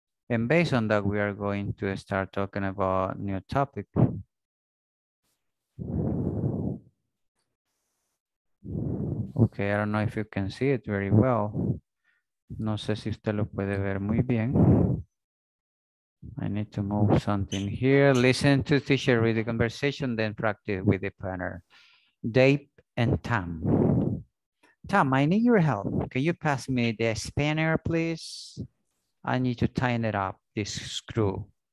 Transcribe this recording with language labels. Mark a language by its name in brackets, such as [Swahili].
[English] And based on that, we are going to start talking about new topic. Okay, I don't know if you can see it very well. [Spanish] No sé si usted lo puede ver muy bien. [English] I need to move something here. Listen to teacher read the conversation, then practice with the planner. Dave and Tom. Tom, I need your help. Can you pass me the spanner, please? I need to tighten it up, this screw.